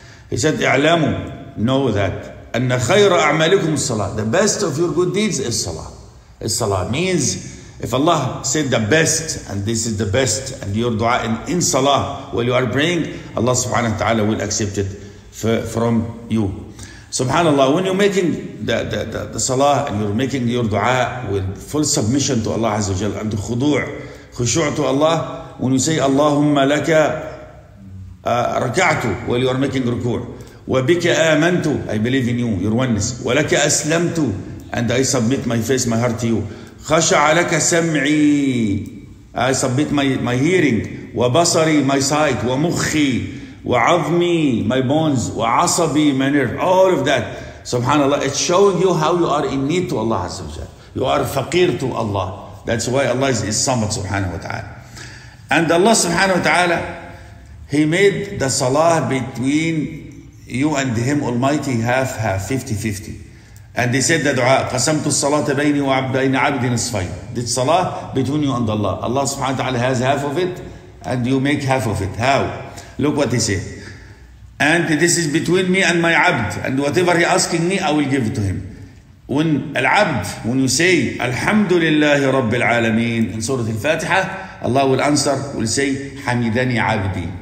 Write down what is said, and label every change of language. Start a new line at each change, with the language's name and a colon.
English: He said,
Arabic: اعلموا,
English: know that,
Arabic: أن خير أعمالكم الصلاة.
English: The best of your good deeds is salah. Salah means, if Allah said the best, and this is the best, and your dua in salah while you are praying, Allah subhanahu wa ta'ala will accept it from you. Subhanallah, when you're making the salah and you're making your dua with full submission to Allah Azza wa Jalla and khushu' to Allah, when you say
Arabic: Allahumma laka raka'tu,
English: while you're making ruku',
Arabic: wa bika amantu,
English: I believe in you, your oneness,
Arabic: wa laka aslamtu,
English: and I submit my face, my heart to you,
Arabic: khasha'a laka sam'i,
English: I submit my hearing,
Arabic: wa basari,
English: my sight,
Arabic: wa mukhi, وعظمي,
English: my bones,
Arabic: وعصبي,
English: my nerve, all of that. Subhanallah, it's showing you how you are in need to Allah Azza wa Jalla. You are faqir to Allah. That's why Allah is samad, subhanahu wa ta'ala. And Allah subhanahu wa ta'ala, he made the salah between you and him almighty half, 50-50. And he said the dua,
Arabic: قسمت الصلاة بيني وبين عبدي نصفين.
English: This salah between you and Allah. Allah subhanahu wa ta'ala has half of it, and you make half of it. How? Look what he said. And this is between me and my abd. And whatever he asking me, I will give it to him. When al-abd, when you say,
Arabic: Alhamdulillahi Rabbil Alameen,
English: in Surah Al-Fatiha, Allah will answer, will say,
Arabic: Hamidani abdi.